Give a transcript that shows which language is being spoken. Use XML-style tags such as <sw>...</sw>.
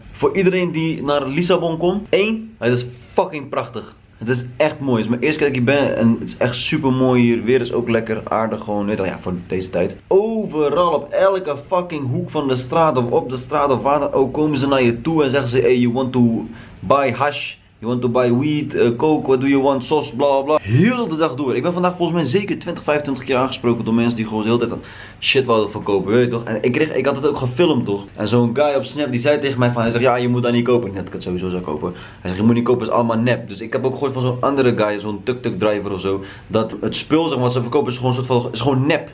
<nl>Voor iedereen die naar Lissabon komt. 1. Het is fucking prachtig. Het is echt mooi. Het is mijn eerste keer dat ik hier ben en het is echt super mooi hier. Weer is ook lekker aardig gewoon. Weet je, ja, voor deze tijd. Overal op elke fucking hoek van de straat of op de straat of waar dan ook komen ze naar je toe en zeggen ze,</nl> <en>hey, you want to buy hash? You want to buy weed, coke, what do you want, sauce, bla bla bla.</en> <nl>Heel de dag door. Ik ben vandaag volgens mij zeker 20, 25 keer aangesproken door mensen die gewoon de hele tijd aan shit wilden verkopen, weet je toch? En ik had het ook gefilmd, toch? En zo'n guy op Snap die zei tegen mij van, hij zegt, ja, je moet dat niet kopen. Net dat ik het sowieso zou kopen. Hij zegt, je moet niet kopen, het is allemaal nep. Dus ik heb ook gehoord van zo'n andere guy, zo'n tuk-tuk driver of zo, dat het spul, zeg maar, wat ze verkopen is gewoon een soort van, is gewoon nep.</nl>